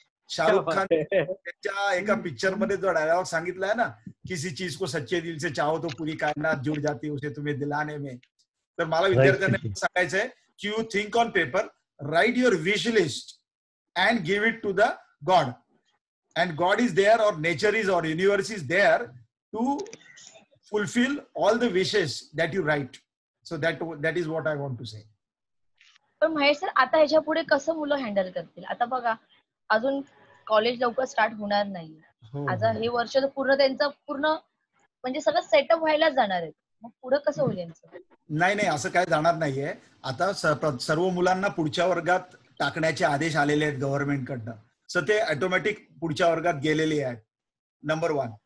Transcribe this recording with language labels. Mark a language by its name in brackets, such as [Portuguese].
[Marathi] शाहरुख खान त्याच्या एका पिक्चर मध्ये जो डायलॉग सांगितलाय ना, [Hindi] किसी चीज को सच्चे दिल से चाहो तो पूरी कायनात जुड़ जाती है उसे तुम्हें दिलाने में. [Marathi] तर मला विद्यार्थ्यांना सांगायचं आहे की [English] You think on paper, write your wish list and give it to the God. And God is there, or nature is, or universe is there to fulfill all the wishes that you write. So that is what I want to say. [Marathi] पण Mahesh sir आता ह्याच्या पुढे कसं मुलं handle करतील? आता बघा अजून कॉलेज लवकर स्टार्ट होणार नाही, आता हे वर्ष पूर्ण त्यांचं पूर्ण म्हणजे सगळं सेटअप व्हायलाच जाणार आहे, मग पुढे कसं होईल यांचं? नाही नाही असं काय जाणार नाहीये. आता सर्व मुलांना पुढच्या वर्गात टाकण्याचे आदेश आलेले आहेत गव्हर्नमेंट कडनं, सो ते ऑटोमॅटिक पुढच्या वर्गात गेलेले आहेत. Number one.